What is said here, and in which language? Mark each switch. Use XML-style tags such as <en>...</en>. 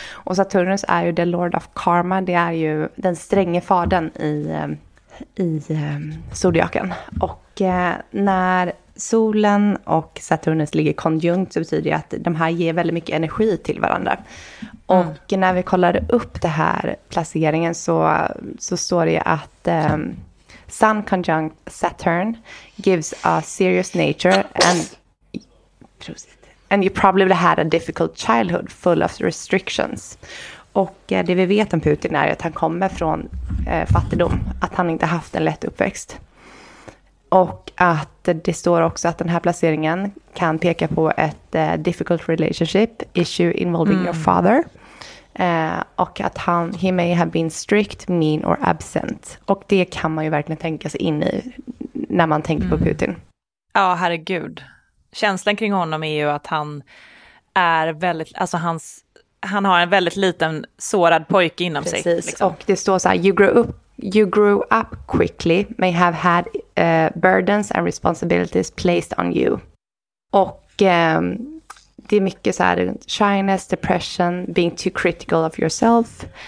<sv>Och Saturnus är ju</sv> <en>the lord of karma,</en> <sv>det är ju den stränge fadern i zodiaken. Och när solen och Saturnus ligger konjunkt, så betyder det att de här ger väldigt mycket energi till varandra. Och när vi kollade upp det här placeringen så står det att...</sv> <en>Sun conjunct Saturn gives a serious nature and you probably had a difficult childhood full of restrictions.</en> <sv>Och det vi vet om Putin är att han kommer från fattigdom, att han inte haft en lätt uppväxt. Och att det står också att den här placeringen kan peka på ett</sv> <en>difficult relationship issue involving your father.</en> <sv>Och att han,</sv> <en>he may have been strict, mean or absent.</en> <sv>Och det kan man ju verkligen tänka sig in i när man tänker på Putin. Ja, herregud. Känslan kring honom är ju att han är väldigt, alltså han har en väldigt liten sårad pojke inom precis. Sig. Precis, liksom. Och det står så här,</sv> <en>you grew up quickly, may have had burdens and responsibilities placed on you.</en> <sv>Och... det är mycket så här</sv> <en>shyness, depression, being too critical of yourself.</en>